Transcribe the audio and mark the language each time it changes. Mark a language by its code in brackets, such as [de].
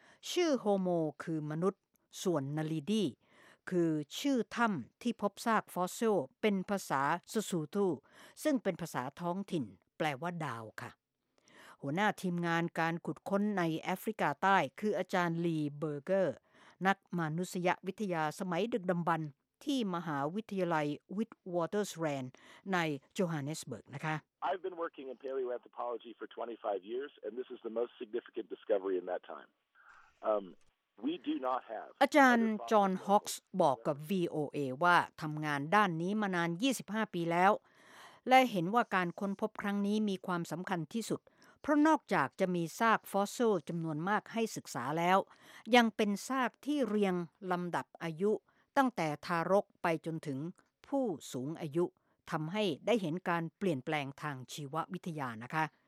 [th] ชื่อโฮโมคือมนุษย์ส่วนนาลีดีคือชื่อถ้ำที่พบซากฟอสซิลเป็นภาษาซูซูตูซึ่งเป็นภาษาท้องถิ่นแปลว่าดาวค่ะหัวหน้าทีมงานการขุดค้นในแอฟริกาใต้คืออาจารย์ลีเบอร์เกอร์นักมนุษยวิทยาสมัยดึกดำบรรพ์ที่มหาวิทยาลัยวิทวอเตอร์สแรนด์ในโจฮานเนสเบิร์กนะคะ [en] I've been working in paleoanthropology for 25 years and this is the most significant discovery in that time. We do not have [th] อาจารย์จอห์นฮอกส์บอกกับ VOA ว่าทำงานด้านนี้มานาน25ปีแล้วและเห็นว่าการค้นพบครั้งนี้มีความสำคัญที่สุดเพราะนอกจากจะมีซากฟอสซิลจำนวนมากให้ศึกษาแล้วยังเป็นซากที่เรียงลำดับอายุตั้งแต่ทารกไปจนถึงผู้สูงอายุทำให้ได้เห็นการเปลี่ยนแปลงทางชีววิทยานะคะ